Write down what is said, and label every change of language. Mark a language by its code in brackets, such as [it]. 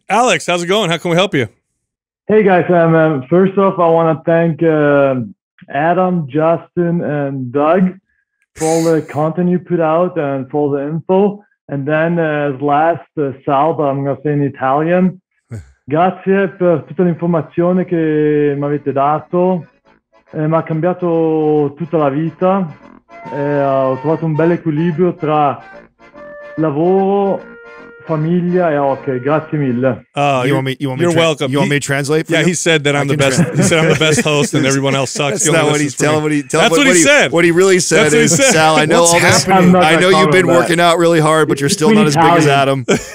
[en] Alex, how's it going? How can we help you? Hey guys. First off, I want to thank Adam, Justin, and Doug for all the content you put out and for the info. And then as last, Sal, but I'm going to say in Italian. [it] Grazie per tutta l'informazione che mi avete dato. Mi ha cambiato tutta la vita. ho trovato un bel equilibrio tra lavoro, famiglia e hockey. Grazie mille. [en] You want me to translate? Yeah, he said that I'm the best host and everyone else sucks. That's what he said. Sal, I know all this. I know you've been working out really hard, but you're still not as big as Adam.